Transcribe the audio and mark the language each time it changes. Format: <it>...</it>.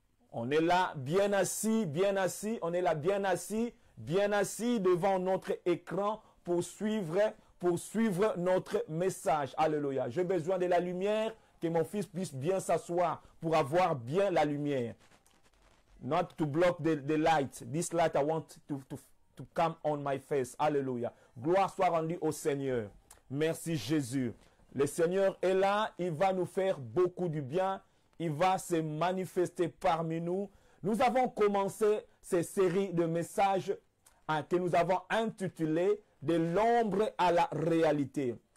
<fr>On est là, bien assis, bien assis. On est là, bien assis devant notre écran pour suivre notre message. Alléluia. J'ai besoin de la lumière, que mon fils puisse bien s'asseoir pour avoir bien la lumière.</fr> <en>Not to block the light. This light I want to come on my face. Alléluia.</en> <fr>Gloire soit rendue au Seigneur. Merci Jésus. Le Seigneur est là. Il va nous faire beaucoup du bien. Il va se manifester parmi nous. Nous avons commencé ces séries de messages que nous avons intitulées de l'ombre à la réalité.</fr>